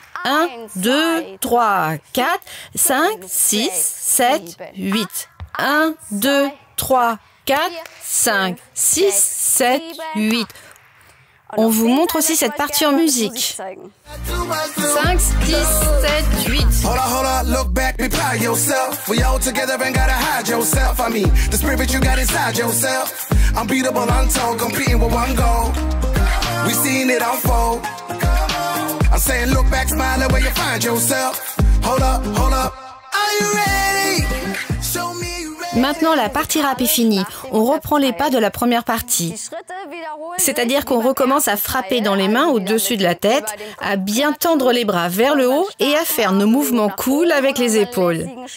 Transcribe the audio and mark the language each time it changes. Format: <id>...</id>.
<en>1, 2, 3, 4, 5, 6, 7, 8. 1, 2, 3, 4, 5, 6, 7, 8.</en> <fr>On vous montre aussi cette partie en musique.</fr> <en>5, 6, 7, 8. Hold on, hold on, look back, be proud yourself. We all together ain't gotta hide yourself. I mean, the spirit you got inside yourself. Unbeatable, untold, competing with one goal. We seen it unfold. I'm saying look back, smile at where you find yourself. Hold up, hold up. Are you ready? Show me.</en> <fr>Maintenant, la partie rap est finie. On reprend les pas de la première partie. C'est-à-dire qu'on recommence à frapper dans les mains au-dessus de la tête, à bien tendre les bras vers le haut et à faire nos mouvements cool avec les épaules.</fr>